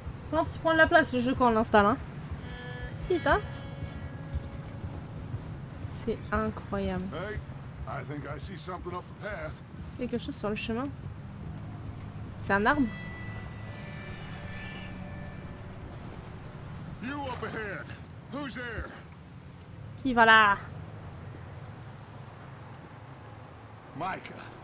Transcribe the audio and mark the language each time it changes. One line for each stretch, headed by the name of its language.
French: Quand tu prends la place, le jeu quand on l'installe, hein. Vite, hein. C'est incroyable.
English: Hey, I think I see something up the path.
French: Il y a quelque chose sur le chemin. C'est un arbre.
English: You up ahead. Who's there?
French: Qui va là? Micah.